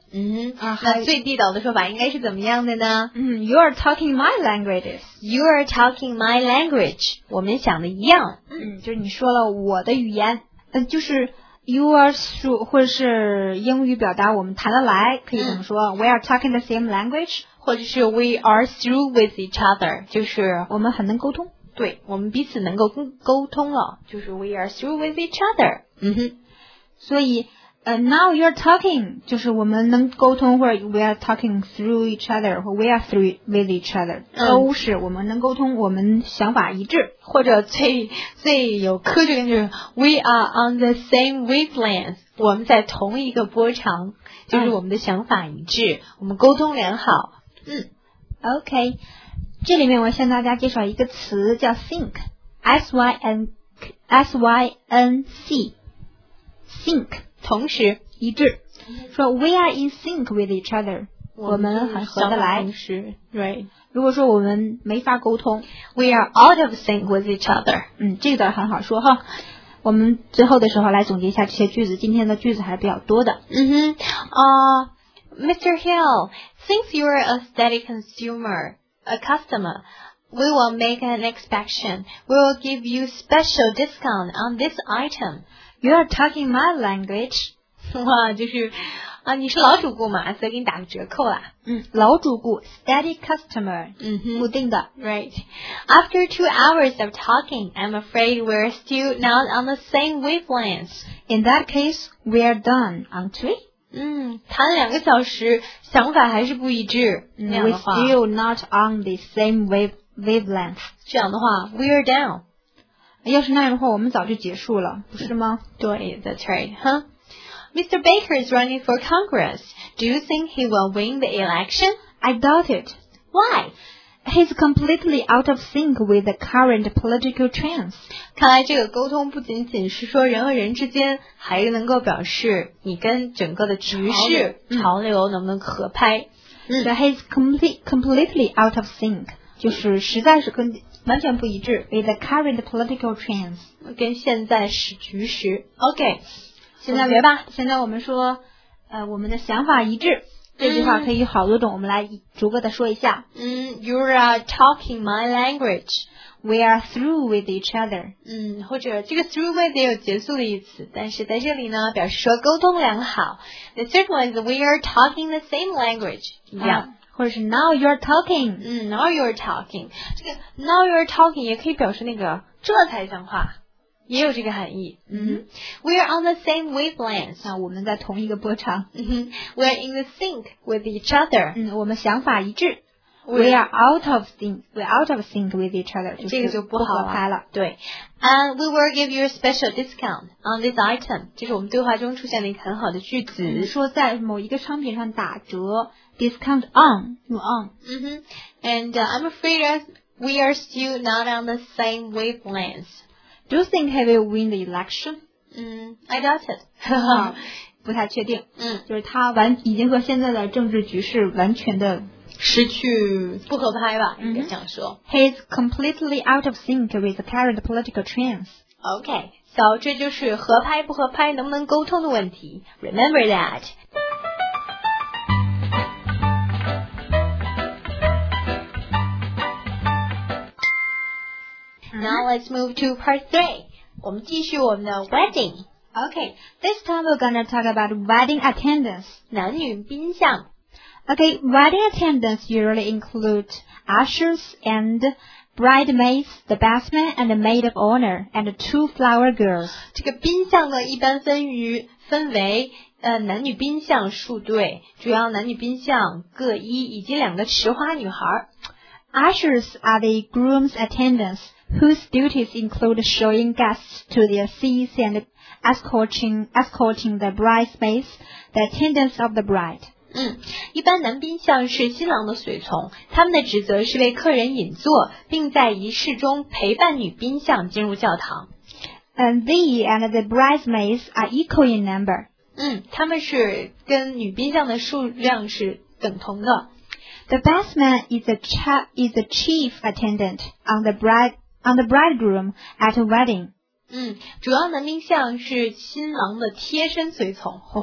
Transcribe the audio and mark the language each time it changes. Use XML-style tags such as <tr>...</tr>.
<zh>嗯，那最地道的说法应该是怎么样的呢？</zh> <en>嗯 ，You are talking my language. You are talking my language.</en> <zh>我们想的一样。嗯，就是你说了我的语言，就是</zh> <en>you are</en> <zh>说或者是英语表达我们谈得来，可以怎么说、嗯、</zh> <en>？We are talking the same language，或者是 we are through with each other，</en> <zh>就是我们很能沟通。对，我们彼此能够沟通了，就是</zh> <en>we are through with each other。</en> <zh>嗯哼，所以。Now you're talking，就是我们能沟通，或者 we are talking through each other，或 we are through with each other，、嗯、都是我们能沟通，我们想法一致，或者最有科学根据，就是</zh> <en>we are on the same wavelength，</en> <zh>我们在同一个波长，就是我们的想法一致，嗯、我们沟通良好。嗯，OK， 这里面我向大家介绍一个词叫 think，SYNC。同时一致，说</zh> <en>we are in sync with each other，</en> <zh>我们很合得来。同时 ，</zh> <en>right。</en> <zh>如果说我们没法沟通</zh> <en>，we are out of sync with each other。</en> <zh>嗯，这个倒很好说哈。我们最后的时候来总结一下这些句子，今天的句子还是比较多的。</zh> <en>嗯哼，Mr. Hill， since you are a steady consumer， a customer， we will make an exception。 We will give you special discount on this item。 You are talking my language.</en> <zh>哇，就是啊，你是老主顾嘛，所以给你打个折扣啦。嗯，老主顾 ，</zh> <en>steady customer. 嗯哼，</en> <zh>固定的</zh> <en>，right. After 2 hours of talking, I'm afraid we're still not on the same wavelength. In that case, we're done, aren't we?</en> <zh>嗯，谈了两个小时，想法还是不一致。</zh> <en>We're still not on the same wavelength.</en> <zh>这样的话 ，</zh> <en>we're down.</en> <zh>要是那样的话我们早就结束了不是吗对</zh> <en>that's right、huh? Mr. Baker is running for Congress Do you think he will win the election? I doubt it Why? He's completely out of sync with the current political trends.</en> <zh>看来这个沟通不仅仅是说人和人之间，还是能够表示你跟整个的局势、潮流能不能合拍。</zh> <en>So he's completely out of sync,</en> <zh>就是实在是跟完全不一致</zh> <en>with the current political trends,</en> <zh>跟现在时局势。OK, 现在吧，现在我们说我们的想法一致。这句话可以有好多种，我们来逐个的说一下。</zh> <en>You're talking my language. We are through with each other.</en> <zh>或者这个 through with 也有结束的意思，但是在这里呢，表示说沟通良好。</zh> <en>The third one is we are talking the same language. Yeah.</en> <zh>或者是</zh> <en>now you're talking. Now you're talking.</en> <zh>这个</zh> <en>now you're talking</en> <zh>也可以表示那个这才像话。也有这个含义。</zh> <en>We are on the same wavelength.</en> <zh>我们在同一个波长。</zh> <en>We are in the sync with each other.</en> <zh>我们想法一致。</zh> <en>We are out of sync with each other.</en> <zh>这个就不好拍了。对。</zh> <en>And we will give you a special discount on this item.</en> <zh>这是我们对话中出现了一个很好的句子。说在某一个商品上打折。</zh> <en>Discount on.</en> <zh>用</zh> <en>on. And I'm afraid we are still not on the same wavelength. Do you think he will win the election? I doubt it.</en> <zh>不太确定。就是他完已经和现在的政治局势完全的失去不合拍吧，应该这样说。</zh> <en>He's completely out of sync with the current political trends. Okay, so</en> <zh>这就是合拍不合拍能不能沟通的问题。</zh> <en>Remember that. Now let's move to part 3.</en> <zh>我们继续我们的</zh> <en>wedding. Okay, this time we're going to talk about wedding attendance.</en> <zh>男女宾相。</zh> <en>Okay, wedding attendance usually include ushers and bridesmaids, the best man and the maid of honor, and the two flower girls.</en> <zh>这个宾相呢一般分为男女宾相数对，主要男女宾相各一，以及两个持花女孩。</zh> <en>Ushers are the groom's attendants whose duties include showing guests to their seats and escorting the bridesmaids, the attendants of the bride.</en> <zh>一般男宾相是新郎的随从，他们的职责是为客人引座，并在仪式中陪伴女宾相进入教堂。</zh> <en>And they and the bridesmaids are equal in number.</en> <zh>他们是跟女宾相的数量是等同的。</zh> <en>The best man is the chief attendant on the bridegroom at a wedding.</en> <zh>主要男宾相是新郎的贴身随从，</zh>